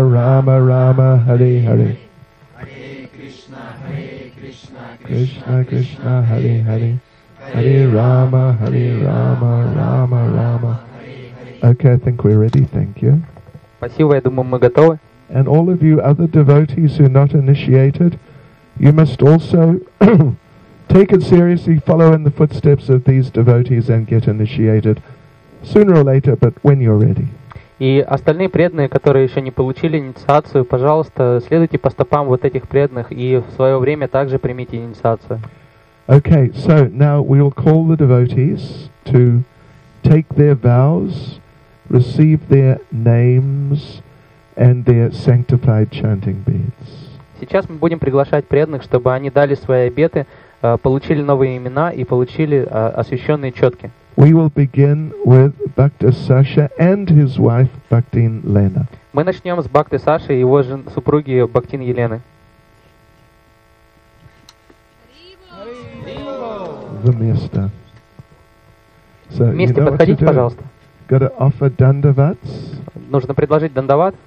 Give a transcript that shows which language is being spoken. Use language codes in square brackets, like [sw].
[sa] Rama Rama, Hare Hare, Hare Krishna, Krishna Krishna, Hare Hare, Hare Rama, Rama Rama. [en] Okay, I think we're ready. Thank you. [ru] Спасибо, я думаю, мы готовы. [en] And all of you other devotees who are not initiated, you must also take it seriously, follow in the footsteps of these devotees and get initiated sooner or later, but when you're ready. [ru] И остальные преданные, которые еще не получили инициацию, пожалуйста, следуйте по стопам вот этих преданных и в свое время также примите инициацию. [en] Okay, so now we will call the devotees to take their vows. Receive their names and their sanctified chanting beads. [ru] Сейчас мы будем приглашать преданных, чтобы они дали свои обеты, получили новые имена и получили освященные четки. [en] We will begin with Bhakti Sasha and his wife Bhaktin Lena. [ru] Мы начнем с Бхакти Саши и его супруги Бхактин Елены. The место. So, вместе подходите, пожалуйста. [en] Got to offer dandavats. [ru] Нужно предложить дандават.